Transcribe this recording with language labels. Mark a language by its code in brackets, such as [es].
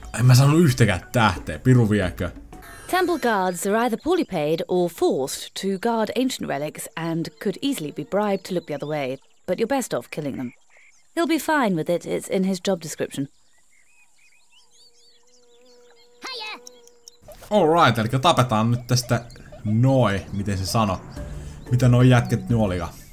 [fi] En mä sanonut yhtäkään tähteä, piru viekö. [en] Temple guards are either poorly paid or forced to guard ancient relics and could easily be bribed to look the other way, but you're best off killing them. He'll be fine with it, it's in his job description. Hiya! [fi] Alright, eli tapetaan nyt tästä noi, miten se sano. Mitä noi jätket nyt olika?